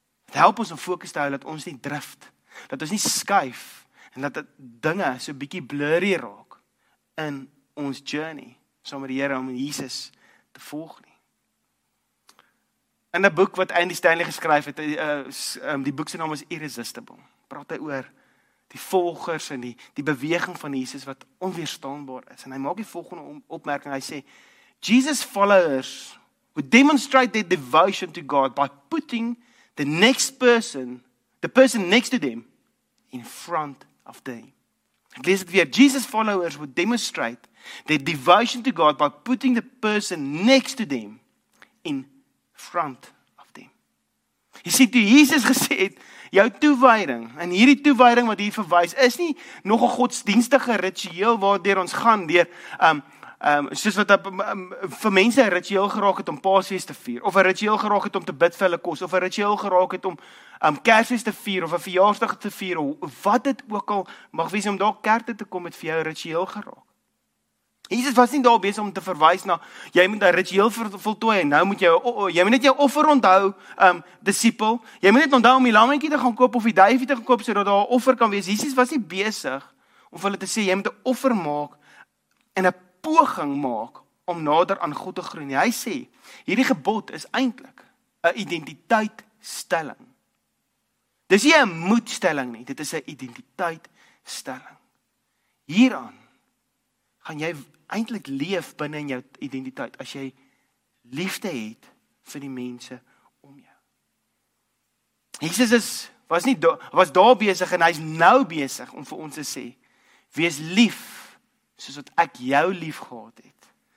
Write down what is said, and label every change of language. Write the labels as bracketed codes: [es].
[af] Dit help ons om fokus te hou, dat ons nie drift, dat ons nie skuif, en dat dinge so bietjie blurry raak in ons journey, saam met die Here om Jesus te volg nie. In 'n boek wat Andy Stanley geskryf het, die boek se naam is Irresistible, praat hy oor die volgers en die beweging van Jesus wat onweerstaanbaar is. En hy maak die volgende opmerking, hy sê, [en] Jesus followers would demonstrate their devotion to God by putting the person next to them in front of them. [af] Ek lees het weer, [en] Jesus followers would demonstrate their devotion to God by putting the person next to them in front of them. [af] Jy sê, toe Jesus gesê het, jou toewijding, en hierdie toewijding wat hier verwys, is nie nog 'n godsdienstige ritueel waardeur ons gaan, soos wat vir mense een ritueel geraak het om paasfees te vier, of een ritueel geraak het om te bid vir hulle kos, of een ritueel geraak het om kersfees te vier, of een verjaarsdag te vier, of wat het ook al mag wees om daar kerk te kom het vir jou ritueel geraak. Jesus was nie daar besig om te verwys na, jy moet een ritueel voltooi, en nou moet jy moet net jou offer onthou, disipel, jy moet net onthou om die lammetjie te gaan koop, of die duifie te gaan koop, sodat daar offer kan wees. Jesus was nie besig om vir hulle te sê, jy moet een offer maak, en een poging maak, om nader aan God te groei. Hy sê, hierdie gebod is eintlik, een identiteitstelling. Dis nie een moedstelling nie, dit is een identiteitstelling. Hieraan, gaan jy eintlik leef binne in jou identiteit, as jy liefde het vir die mense om jou. Jesus was daar besig en hy is nou besig om vir ons te sê, wees lief soos wat ek jou lief gehad het.